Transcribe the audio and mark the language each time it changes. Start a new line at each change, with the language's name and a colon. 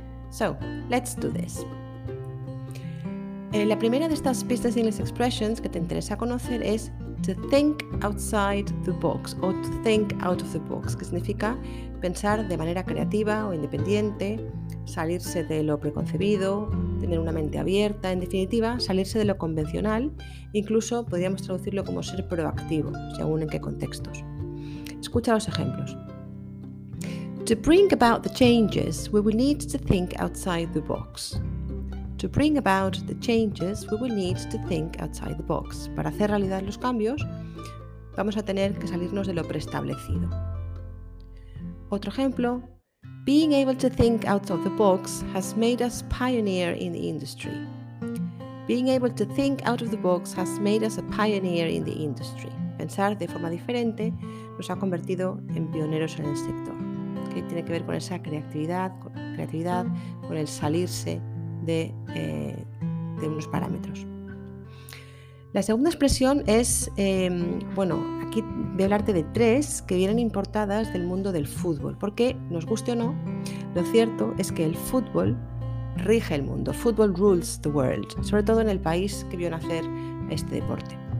English: So, let's do this.
Spanish: La primera de estas Business English Expressions que te interesa conocer es to think outside the box o to think out of the box, que significa pensar de manera creativa o independiente, salirse de lo preconcebido, tener una mente abierta, en definitiva, salirse de lo convencional. Incluso podríamos traducirlo como ser proactivo, según en qué contextos. Escucha los ejemplos.
English: To bring about the changes, we will need to think outside the box. To bring about the changes, we will need to think outside the box.
Spanish: Para hacer realidad los cambios, vamos a tener que salirnos de lo preestablecido. Otro ejemplo.
English: Being able to think out of the box has made us pioneer in the industry. Being able to think out of the box has made us a pioneer in the industry.
Spanish: Pensar de forma diferente nos ha convertido en pioneros en el sector. ¿Qué tiene que ver con esa creatividad, con el salirse de unos parámetros? La segunda expresión es, aquí voy a hablarte de tres que vienen importadas del mundo del fútbol, porque, nos guste o no, lo cierto es que el fútbol rige el mundo,
English: football rules the world,
Spanish: sobre todo en el país que vio nacer este deporte.